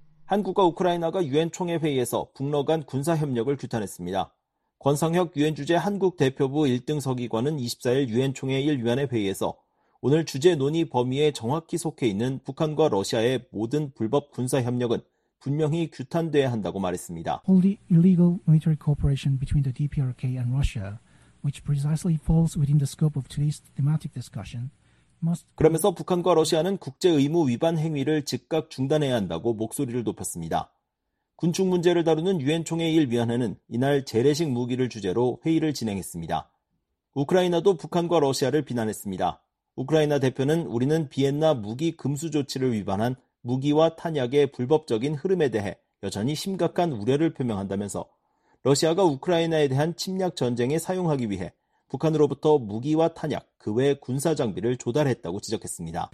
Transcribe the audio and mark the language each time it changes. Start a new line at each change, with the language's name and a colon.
Korean: 한국과 우크라이나가 유엔총회 회의에서 북러 간 군사협력을 규탄했습니다. 권성혁 유엔 주재 한국 대표부 1등 서기관은 24일 유엔총회 1위원회 회의에서 오늘 주제 논의 범위에 정확히 속해 있는 북한과 러시아의 모든 불법 군사협력은 분명히 규탄돼야 한다고 말했습니다.
English: All the illegal military cooperation between the DPRK and Russia, which precisely falls within the scope of today's thematic discussion,
Korean: 그러면서 북한과 러시아는 국제 의무 위반 행위를 즉각 중단해야 한다고 목소리를 높였습니다. 군축 문제를 다루는 유엔총회 1위원회는 이날 재래식 무기를 주제로 회의를 진행했습니다. 우크라이나도 북한과 러시아를 비난했습니다. 우크라이나 대표는 우리는 비엔나 무기 금수 조치를 위반한 무기와 탄약의 불법적인 흐름에 대해 여전히 심각한 우려를 표명한다면서 러시아가 우크라이나에 대한 침략 전쟁에 사용하기 위해 북한으로부터 무기와 탄약, 그 외 군사 장비를 조달했다고 지적했습니다.